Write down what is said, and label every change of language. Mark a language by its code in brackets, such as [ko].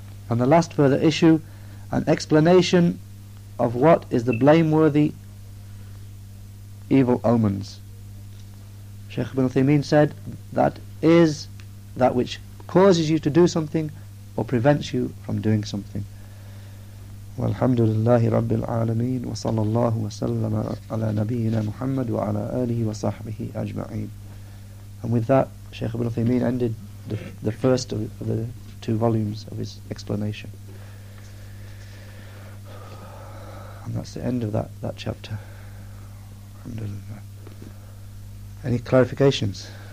[en] And the last further issue, an explanation of what is the blameworthy evil omens. Shaykh Ibn Uthaymeen said, that is that which causes you to do something or prevents you from doing something. [ar] والحمد لله رب العالمين وصلى الله وسلم على نبينا محمد وعلى آله وصحبه أجمعين. [en] And with that, Shaykh Ibn Uthaymeen ended the first of the two volumes of his explanation. And that's the end of that chapter. Any clarifications?